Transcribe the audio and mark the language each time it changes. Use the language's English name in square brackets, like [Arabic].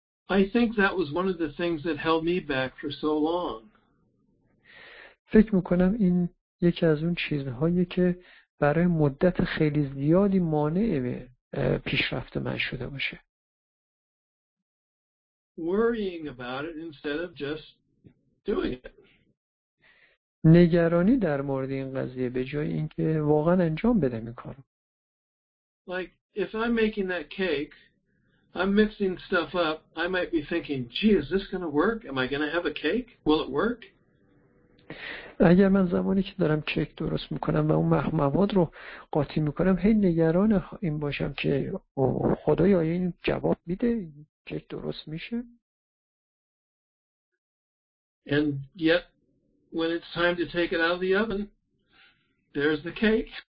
[English] I think that was one of the things that held me back for so long. [Persian] فکر میکنم این یکی از اون چیزهایی که برای مدت خیلی زیادی مانع پیشرفت من شده باشه. [English] Worrying about it instead of just doing it. [Persian] نگرانی در مورد این قضیه به جای اینکه واقعا انجام بدم این کارو. [English] Like if I'm making that cake, I'm mixing stuff up, I might be thinking, "Gee, is this going to work? Am I going to have a cake? Will it work?" [Persian] اگر من زمانی که دارم کیک درست میکنم و اون مواد رو قاطی میکنم، هی نگران این باشم که خدایا این جواب میده، کیک درست میشه. [English] And yet when it's time to take it out of the oven, there's the cake.